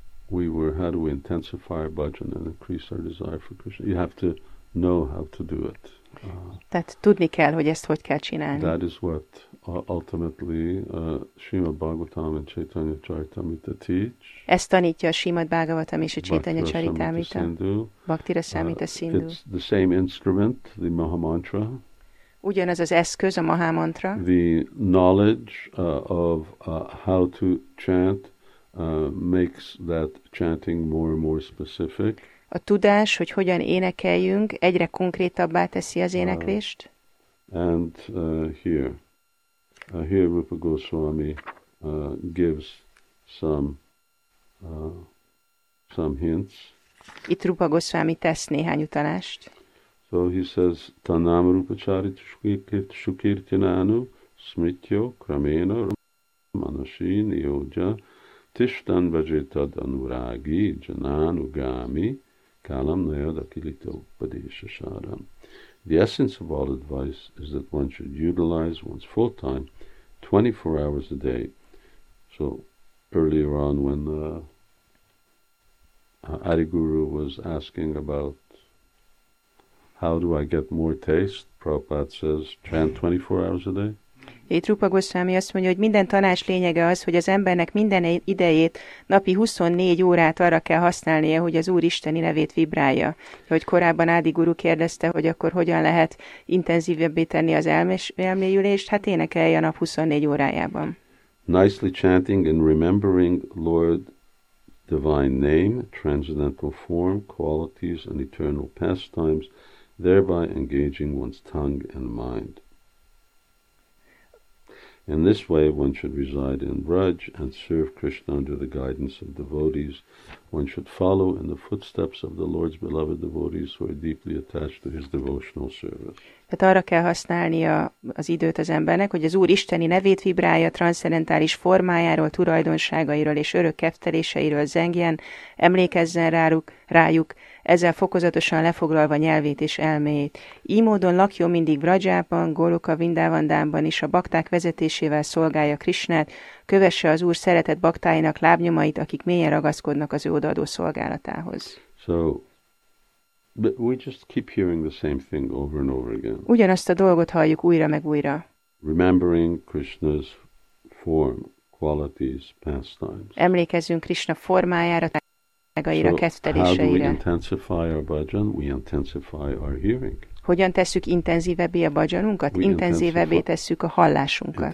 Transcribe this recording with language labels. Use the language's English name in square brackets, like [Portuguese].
[English] We were, how do we intensify our bhajan and increase our desire for Krishna? You have to know how to do it. [Hungarian] Tehát tudni kell, hogy ezt hogy kell csinálni. [English] That is what ultimately Srimad Bhagavatam and Chaitanya Charitamrita teach. [Hungarian] Ezt tanítja a Srimad Bhagavatam és a Chaitanya Charitamrita. [Sanskrit] Bhaktira Samhita Sindhu. [English] It's the same instrument, the Maha Mantra. [Hungarian] Ugyanaz az eszköz, a Maha Mantra. [English] The knowledge of how to chant makes that chanting more and more specific. [Hungarian] A tudás, hogy hogyan énekeljünk, egyre konkrétabbá teszi az éneklést. [English] And here Rupa Goswami gives some hints. [Hungarian] Itt Rupa Goswami tesz néhány utalást. [English] So he says, [Sanskrit] tanam rupa charita sukirtinanu smityo krameno manasi niyoja tishtan vajetad anuragi jananu gami kalam nayad akilita upadesha sharam. [English] The essence of all advice is that one should utilize one's full time, 24 hours a day. So earlier on when Adiguru was asking about how do I get more taste, Prabhupada says, chant 24 hours a day. [Hungarian] Itt Rupa Goswami azt mondja, hogy minden tanács lényege az, hogy az embernek minden idejét, napi 24 órát arra kell használnia, hogy az Úr Isteni nevét vibrálja. Hogy korábban Ádi Guru kérdezte, hogy akkor hogyan lehet intenzívebbé tenni az elmélyülést, hát énekelje a nap 24 órájában. [English] Nicely chanting and remembering Lord divine name, transcendental form, qualities and eternal pastimes, thereby engaging one's tongue and mind. In this way, one should reside in Raj and serve Krishna under the guidance of devotees. One should follow in the footsteps of the Lord's beloved devotees who are deeply attached to his devotional service. [Hungarian] Tehát arra kell használni az időt az embernek, hogy az Úr Isteni nevét vibrálja, transzcendentális formájáról, tulajdonságairól és örök kefteléseiről zengjen, emlékezzen rájuk, ezzel fokozatosan lefoglalva nyelvét és elméjét. Így módon lakjon mindig Vrajában, Goloka Vrindavanában is, a bakták vezetésével szolgálja Krisnát, kövesse az Úr szeretett baktáinak lábnyomait, akik mélyen ragaszkodnak az ő odaadó szolgálatához. [English] So, but we just keep hearing the same thing over and over again. [Hungarian] Ugyanazt a dolgot halljuk újra meg újra. [English] Remembering Krishna's form, qualities, pastimes. [Hungarian] Emlékezzünk Krishna formájára, tájágaira, kezdteléseire. [English] So how do we intensify our bhajan? We intensify our hearing. [Hungarian] Hogyan tesszük intenzívebbé a bhajanunkat? Intenzívebbé tesszük a hallásunkat.